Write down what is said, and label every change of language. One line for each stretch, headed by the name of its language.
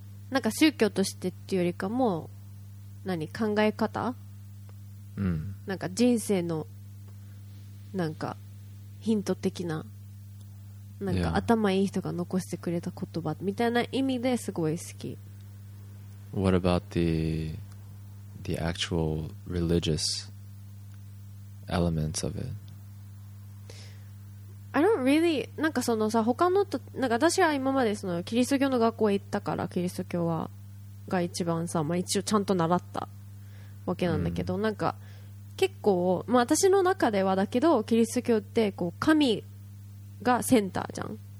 Japanese: なんか宗教としてっていうよりかも、何、考え方、うん、なんか人生のなんかヒント的な、なんか頭いい人が残してくれた言葉みたいな意味ですごい好き。
English: What about the actual religious elements of it? I don't really...
Japanese: なんかそのさ、他のと、なんか私は今までそのキリスト教の学校へ行ったから、キリスト教はが一番さ、まあ、一応ちゃんと習ったわけなんだけど、mm. なんか結構、まあ、私の中ではだけどキリスト教ってこう神がセンターじゃん。